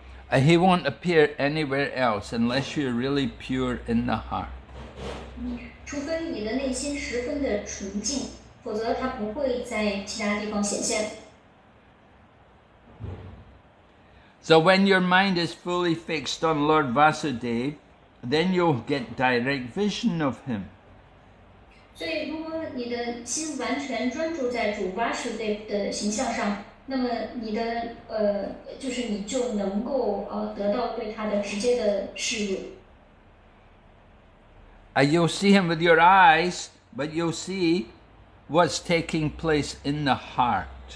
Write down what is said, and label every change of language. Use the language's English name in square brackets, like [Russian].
[English] And he won't appear anywhere else unless you're really pure in the heart. [Chinese] 除非你的内心十分的纯净,否则他不会在其他地方显现。 [English] So when your mind is fully fixed on Lord Vasudev, then you'll get direct vision of him. [Chinese] 所以如果你的心完全专注在主Vasudev的形象上,那么你的就是你就能够得到对他的直接的视野。 [English] And you'll see him with your eyes, but you'll see what's taking place in the heart.